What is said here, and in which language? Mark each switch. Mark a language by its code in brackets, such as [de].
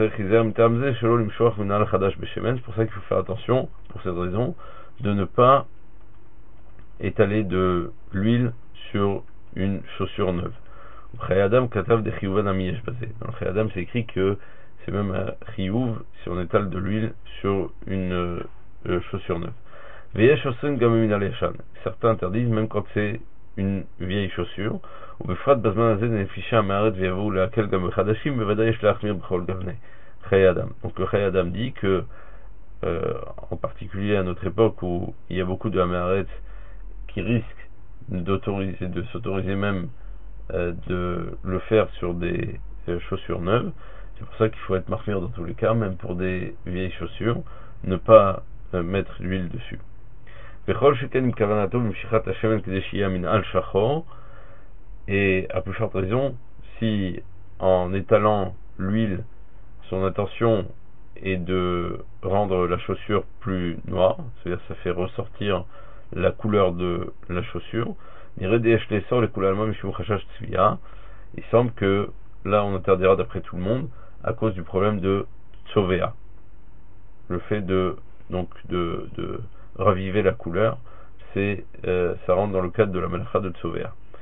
[fr] C'est pour ça qu'il faut faire attention, pour cette raison, de ne pas étaler de l'huile sur une chaussure neuve. Dans le Chayadam, c'est écrit que c'est même un chiyuv si on étale de l'huile sur une chaussure neuve. Certains interdisent même quand c'est une vieille chaussure. [he] ובפרט בזמן הזה נפישה מארץ ויבואו להקל גם בחדשים, בוודאי יש להחמיר בכל גווני. חיי אדם. [fr] Donc le חיי אדם dit que, en particulier à notre époque où il y a beaucoup de Amaret qui risquent d'autoriser, de s'autoriser même de le faire sur des chaussures neuves, c'est pour ça qu'il faut être marmire dans tous les cas, même pour des vieilles chaussures, ne pas mettre l'huile dessus. [he] וכל שכן עם כוונתו במשיכת השמן כדי שיהיה מנעל שחור. [fr] Et à plus forte raison, si en étalant l'huile, son intention est de rendre la chaussure plus noire, c'est-à-dire ça fait ressortir la couleur de la chaussure, il semble que là on interdira d'après tout le monde à cause du problème de tsovea, le fait de donc de raviver la couleur, c'est ça rentre dans le cadre de la malacha de tsovea.